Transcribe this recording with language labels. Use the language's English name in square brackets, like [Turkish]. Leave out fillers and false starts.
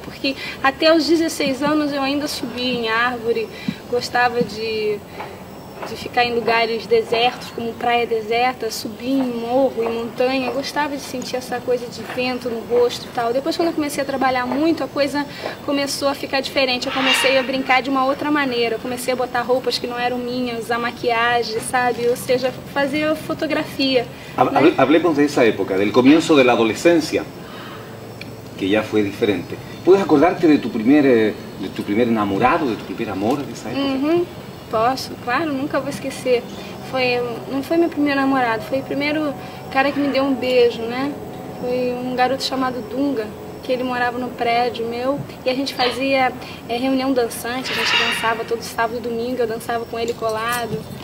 [Portuguese] Porque até os 16 anos eu ainda subia em árvore, gostava de ficar em lugares desertos, como praia deserta, subir em morro, em montanha, gostava de sentir essa coisa de vento no rosto e tal. Depois, quando eu comecei a trabalhar muito, a coisa começou a ficar diferente, eu comecei a brincar de uma outra maneira, eu comecei a botar roupas que não eram minhas, a maquiagem, sabe, ou seja, fazer fotografia. [Spanish] Hablemos de esa época, del comienzo de la adolescencia, que ya fue diferente. ¿Puedes acordarte de tu primer enamorado, de tu primer amor de esa época? [Portuguese] Posso, claro, nunca vou esquecer. Não foi meu primeiro namorado, foi o primeiro cara que me deu um beijo, né? Foi um garoto chamado Dunga, que ele morava no prédio meu, e a gente fazia reunião dançante, a gente dançava todo sábado e domingo, eu dançava com ele colado.